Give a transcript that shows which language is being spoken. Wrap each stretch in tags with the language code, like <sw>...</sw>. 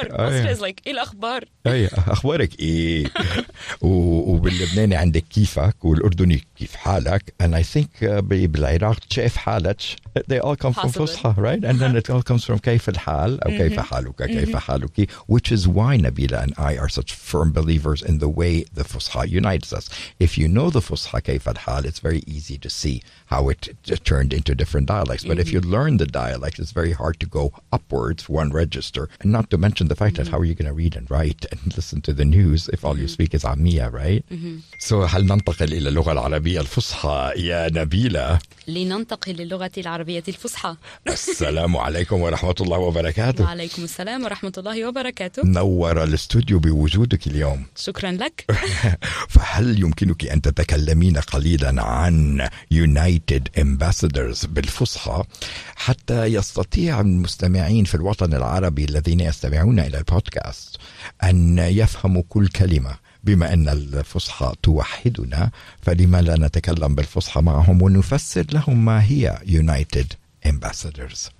<ar>ايه الاخبار؟ ايه اخبارك ايه؟ وباللبناني عندك كيفك؟ والاردني كيف حالك؟</ar> <en>and I think</en> <ar>بالعراق شايف حالك.</ar> <en>They all come from فصحى, right? And then it all comes from</en> <ar>كيف الحال او كيف حالك كيف حالك.</ar> <en>Which is why Nabila and I are such firm believers in the way the فصحى unites us. If you know the فصحى</en> <ar>كيف الحال,</ar> <en>it's very easy to see how it turned into different dialects. But if you learn the dialect, it's very hard to go upwards one register. And not to mention the fact that how are you going to read and write and listen to the news if all you speak is Amia, right?</en> <ar>So هل ننتقل إلى اللغة العربية الفصحى يا نبيلة؟ لننتقل للغة العربية الفصحى. السلام عليكم ورحمة الله وبركاته. وعليكم السلام ورحمة الله وبركاته. نور الاستوديو بوجودك اليوم. شكرا لك. فهل يمكنك أن تتكلمين قليلا عن United Ambassadors بالفصحى حتى يستطيع المستمعين في الوطن العربي الذين يستمعون إلى البودكاست أن يفهموا كل كلمة؟ بما أن الفصحى توحدنا فلما لا نتكلم بالفصحى معهم ونفسر لهم ما هي United Ambassadors.</ar>